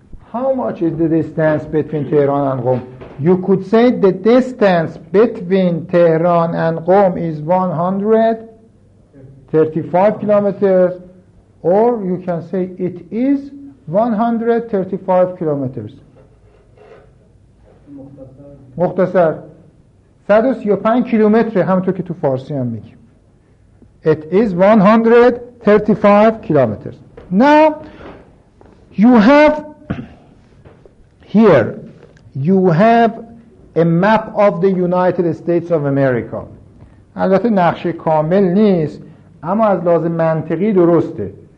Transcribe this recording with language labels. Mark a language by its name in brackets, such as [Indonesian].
[English] How much is the distance between Tehran and Qom? You could say the distance between Tehran and Qom is 135 kilometers, or you can say it is 135 kilometers. [Persian] مختصر 135 کیلومتر همونطور که تو فارسی هم میگیم. [English] It is 135 kilometers. Now you have here, you have a map of the United States of America. [Persian] البته نقشه کامل نیست، اما از لحاظ منطقی درسته.